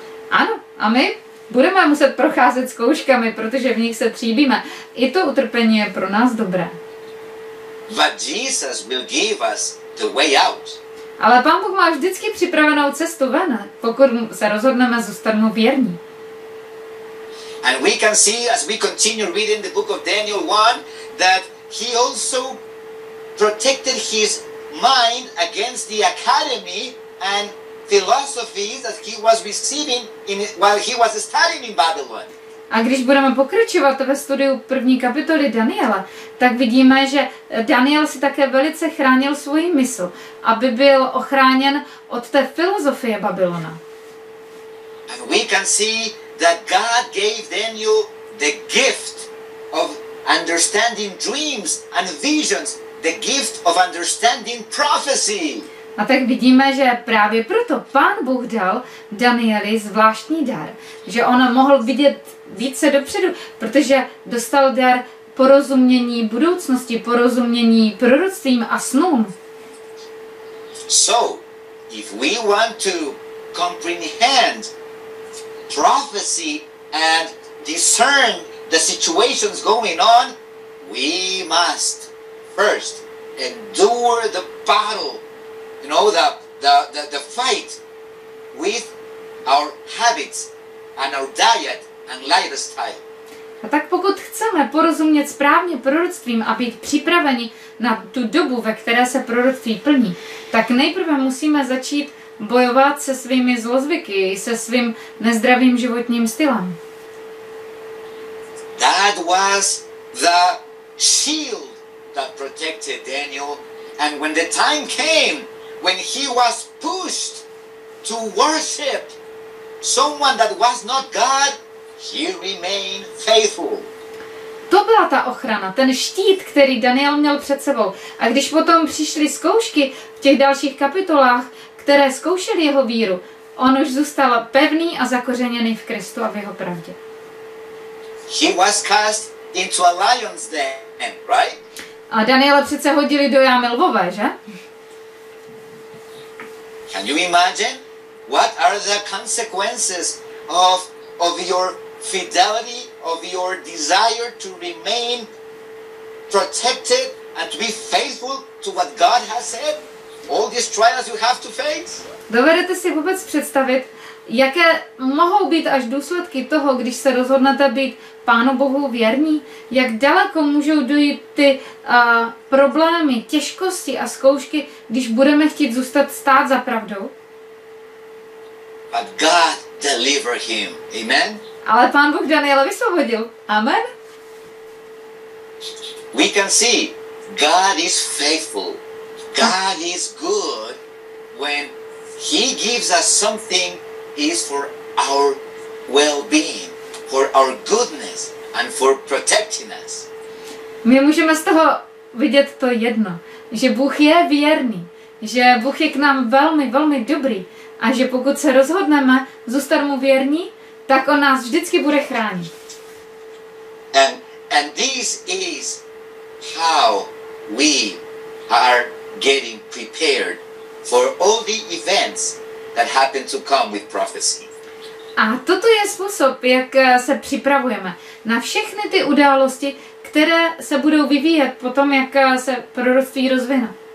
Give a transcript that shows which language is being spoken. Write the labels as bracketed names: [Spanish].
[Czech] Ano, a my budeme muset procházet zkouškami, protože v nich se tříbíme. I to utrpení je pro nás dobré. [English] But Jesus will give us the way out. [Czech] Ale Pán Bůh má vždycky připravenou cestu ven, pokud se rozhodneme zůstat mu věrní. [English] And we can see as we continue reading the book of Daniel 1 that he also protected his mind against the academy and philosophies that he was receiving while he was studying in Babylon. [Czech] A když budeme pokračovat ve studiu první kapitoly Daniela, tak vidíme, že Daniel si také velice chránil svůj mysl, aby byl ochráněn od té filozofie Babylona. [English] And we can see that God gave Daniel the gift of understanding dreams and visions, the gift of understanding prophecy. [Czech] A tak vidíme, že právě proto Pán Bůh dal Danieli zvláštní dar, že on mohl vidět více dopředu, protože dostal dar porozumění budoucnosti, porozumění proroctvím a snům. [English] So, if we want to comprehend prophecy and discern the situations going on, we must first endure the battle, you know, the fight with our habits and our diet and lifestyle. [Czech] A tak pokud chceme porozumět správně proroctvím a být připraveni na tu dobu, ve které se proroctví plní, tak nejprve musíme začít bojovat se svými zlozvyky, se svým nezdravým životním stylem. [English] That was the shield that protected Daniel, and when the time came, when he was pushed to worship someone that was not God, he remained faithful. [Czech] To byla ta ochrana, ten štít, který Daniel měl před sebou. A když potom přišly zkoušky v těch dalších kapitolách, které zkoušely jeho víru, on už zůstal pevný a zakořeněný v Kristu a v jeho pravdě. [English] He was cast into a lion's den, right? [Czech] A Daniela přece hodili do jámy lvové, že? [English] Can you imagine what are the consequences of your fidelity, of your desire to remain protected and to be faithful to what God has said? All these trials you have to face? [Czech] Dovedete si vůbec představit, jaké mohou být až důsledky toho, když se rozhodnete být Pánu Bohu věrní? Jak daleko můžou dojít ty problémy, těžkosti a zkoušky, když budeme chtít zůstat stát za pravdou? [English] But God deliver him. Amen? [Czech] Ale Pán Bůh Daniela vysvobodil. Amen? [English] We can see God is faithful. God is good when he gives us something is for our well-being, for our goodness and for protecting us. [Czech] My můžeme z toho vidět to jedno, že Bůh je věrný, že Bůh je k nám velmi, velmi dobrý a že pokud se rozhodneme zůstat mu věrní, tak on nás vždycky bude chránit. [English] And this is how we are getting prepared for all the events that happen to come with prophecy. [Czech] A toto je způsob, jak se připravujeme na všechny ty události, které se budou vyvíjet potom, jak se proroctví rozvine.